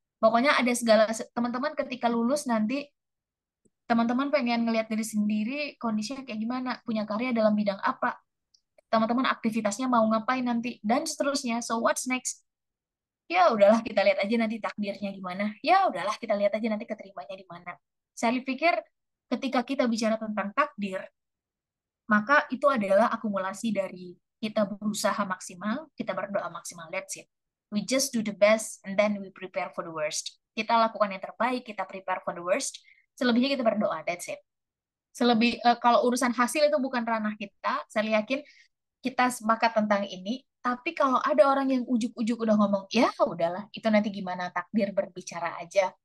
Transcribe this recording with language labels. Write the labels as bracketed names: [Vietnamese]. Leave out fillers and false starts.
[Indonesian] Pokoknya ada segala, teman-teman ketika lulus nanti, teman-teman pengen ngelihat diri sendiri kondisinya kayak gimana, punya karya dalam bidang apa, teman-teman aktivitasnya mau ngapain nanti, dan seterusnya. [English] So what's next? [Indonesian] Ya udahlah, kita lihat aja nanti takdirnya gimana. Ya udahlah, kita lihat aja nanti keterimanya di mana. Saya pikir ketika kita bicara tentang takdir, maka itu adalah akumulasi dari kita berusaha maksimal, kita berdoa maksimal. [English] That's it. We just do the best and then we prepare for the worst. [Indonesian] Kita lakukan yang terbaik, kita [English] prepare for the worst. [Indonesian] Selebihnya kita berdoa. [English] That's it. [Indonesian] Selebih kalau urusan hasil itu bukan ranah kita. Saya yakin kita sepakat tentang ini. Tapi kalau ada orang yang ujuk-ujuk udah ngomong, ya udahlah, itu nanti gimana takdir berbicara aja.